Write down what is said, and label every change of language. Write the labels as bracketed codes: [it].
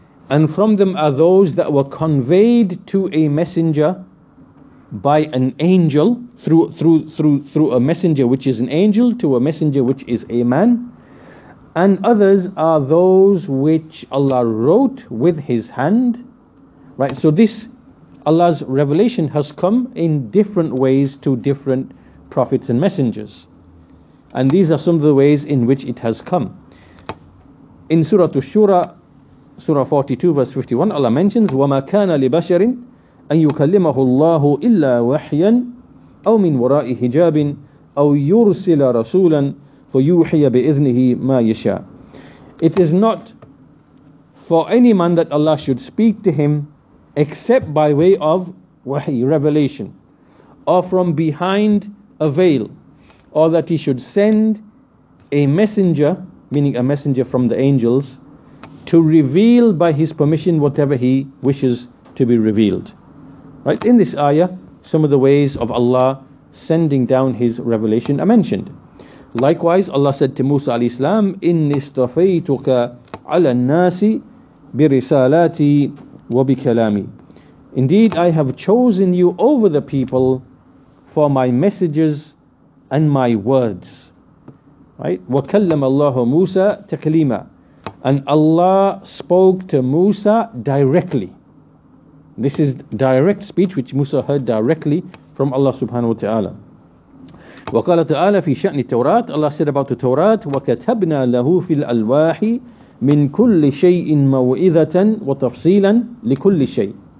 [en] and from them are those that were conveyed to a messenger by an angel through a messenger which is an angel to a messenger which is a man, and others are those which Allah wrote with His hand. Right, so this Allah's revelation has come in different ways to different prophets and messengers. And these are some of the ways in which it has come. In Surah Ash-Shura, Surah 42, verse 51, Allah mentions, [ar] وَمَا كَانَ لِبَشَرٍ أَن يُكَلِّمَهُ اللَّهُ إِلَّا وَحْيًا أَوْ مِنْ وَرَاءِ حِجَابٍ أَوْ يُرْسِلَ رَسُولًا فَيُوحِيَ بِإِذْنِهِ مَا يَشَاءُ. [en] It is not for any man that Allah should speak to him except by way of wahi, revelation, or from behind a veil, or that he should send a messenger, meaning a messenger from the angels, to reveal by his permission whatever he wishes to be revealed. Right? In this ayah, some of the ways of Allah sending down his revelation are mentioned. Likewise, Allah said to Musa alayhi salam, [ar] إِنِّي اصْطَفَيْتُكَ عَلَى النَّاسِ بِرِسَالَاتِي وَبِكَلَامِي. [en] Indeed, I have chosen you over the people for my messages and my words. Right? [ar] وَكَلَّمَ اللَّهُ مُوسَى تَكْلِيمًا. [en] And Allah spoke to Musa directly. This is direct speech which Musa heard directly from Allah subhanahu wa ta'ala. [ar] وَقَالَ تَعَالَى فِي شَأْنِ التَّوْرَاةِ. [en] Allah said about the Torah, [ar] وَكَتَبْنَا لَهُ فِي الْأَلْوَاحِ مِنْ كُلِّ شَيْءٍ مَوْئِذَةً وَتَفْصِيلًا لِكُلِّ شَيْءٍ.